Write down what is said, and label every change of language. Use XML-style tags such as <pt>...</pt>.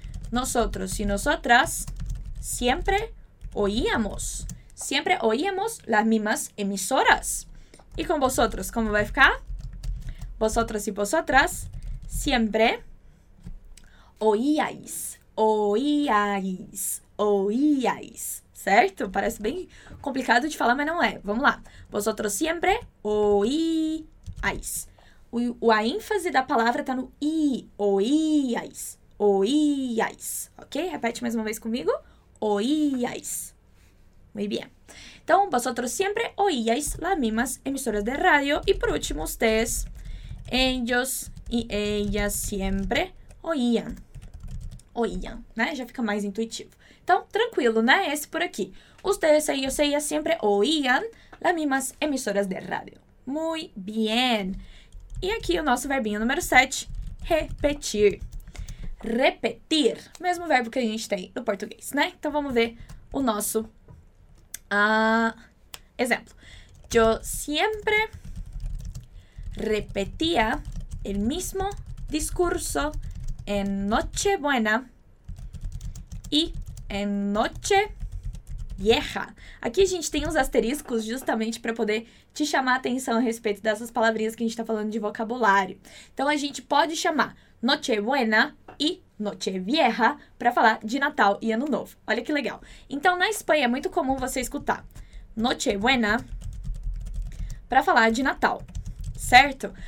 <es>Nosotros y nosotras siempre oíamos. Siempre oíamos las mismas emisoras. Y con vosotros, ¿cómo va a ficar? Vosotros y vosotras siempre oíais, oíais, oíais, certo?</es> <pt>Parece bem complicado de falar, mas não é. Vamos lá.</pt> <es>Vosotros siempre oíais.</es> <pt>O a ênfase da palavra tá no i,</pt> <es>oíais, oíais,</es> <pt>ok? Repete mais uma vez comigo.</pt> <es>Oíais. Muy bien. Então, vosotros siempre oíais las mismas emisoras de radio.</es> <pt>E por último,</pt> <es>ustedes, ellos y ellas siempre oían.</es> <pt>Oían, né? Já fica mais intuitivo. Então, tranquilo, né? Esse por aqui.</pt> <es>Ustedes y yo seía siempre oían las mismas emisoras de radio. Muy bien.</es> <pt>E aqui o nosso verbinho número 7, repetir. Repetir. Mesmo verbo que a gente tem no português, né? Então, vamos ver o nosso exemplo.</pt> <es>Yo siempre repetía el mismo discurso en Nochebuena y en Nochevieja.</es> <pt>Aqui a gente tem uns asteriscos justamente para poder te chamar a atenção a respeito dessas palavrinhas que a gente está falando de vocabulário. Então, a gente pode chamar Nochebuena e Nochevieja para falar de Natal e Ano Novo. Olha que legal. Então, na Espanha é muito comum você escutar Nochebuena para falar de Natal, certo?</pt>